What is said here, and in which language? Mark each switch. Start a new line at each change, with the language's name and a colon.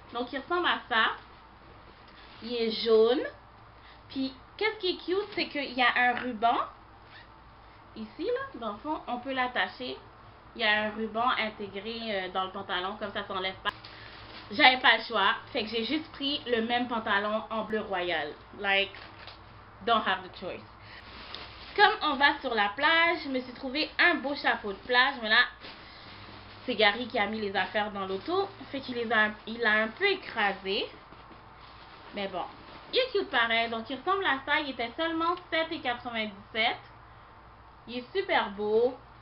French: Donc il ressemble à ça. Il est jaune. Puis qu'est-ce qui est cute, c'est qu'il y a un ruban. Ici là, dans le fond, on peut l'attacher. Il y a un ruban intégré dans le pantalon, comme ça s'enlève pas. J'avais pas le choix, fait que j'ai juste pris le même pantalon en bleu royal.
English: Like, don't have the choice.
French: Comme on va sur la plage, je me suis trouvé un beau chapeau de plage. Mais là, c'est Gary qui a mis les affaires dans l'auto. Fait qu'il les a, il a un peu écrasé. Mais bon, il est cute pareil. Donc, il ressemble à ça. Il était seulement 7,97. Il est super beau.